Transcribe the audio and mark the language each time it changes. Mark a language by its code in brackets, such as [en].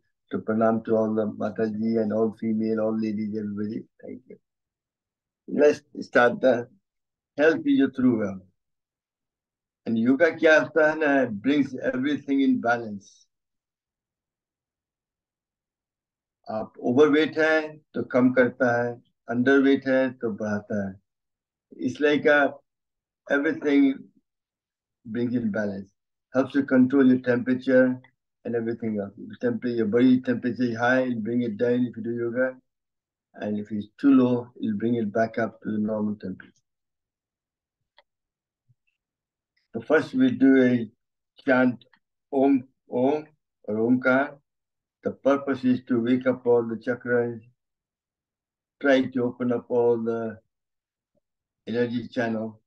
[en] To pranam to all the Mataji and all female, all ladies, everybody. Thank you. Let's start the health is your true wealth. And yoga kyasthana brings everything in balance. [hi] आप overweight है तो कम करता है, underweight है तो बढ़ाता है. [en] It's like everything brings in balance, helps you control your temperature and everything else. Your body temperature is high, it bring it down if you do yoga, and if it's too low it bring it back up to the normal temperature. तो first we do a chant Om Om और Omkar. The purpose is to wake up all the chakras, try to open up all the energy channel.